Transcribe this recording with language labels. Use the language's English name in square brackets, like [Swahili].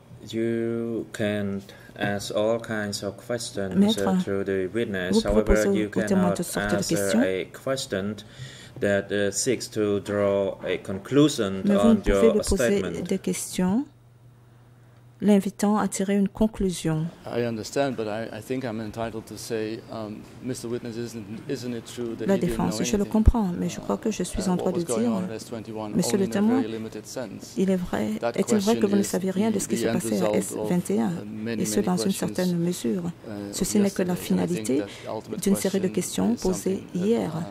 [English] You can't ask all kinds of questions through the witness. However, you cannot answer a question that seeks to draw a conclusion on your statement. [French] Vous pouvez lui poser des questions, l'invitant à tirer une conclusion. [English] I understand, but I think I'm entitled to say, Mr. Witness, isn't it true that [French] La défense, je le comprends, mais je crois que je suis en droit de dire, Monsieur le témoin, est-il vrai que vous ne saviez rien de ce qui s'est passé à S21, et ce dans une certaine mesure? Ceci n'est que la finalité d'une série de questions posées hier.